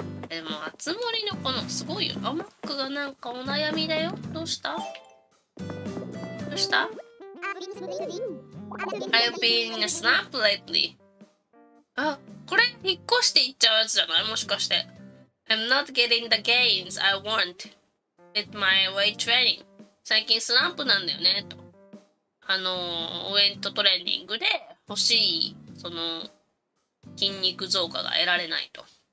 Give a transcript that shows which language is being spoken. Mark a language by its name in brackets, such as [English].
[Japanese] でも、あつ森のこの、すごいよ。あ、マックがなんかお悩みだよ。どうした？どうした？ [English] I've been in a snap lately. [Japanese] あ、これ、引っ越していっちゃうやつじゃない？もしかして。 [English] I'm not getting the gains I want with my weight training. [Japanese] 最近スナップなんだよね、と。ウエイトトレーニングで欲しい、その、筋肉増加が得られないと。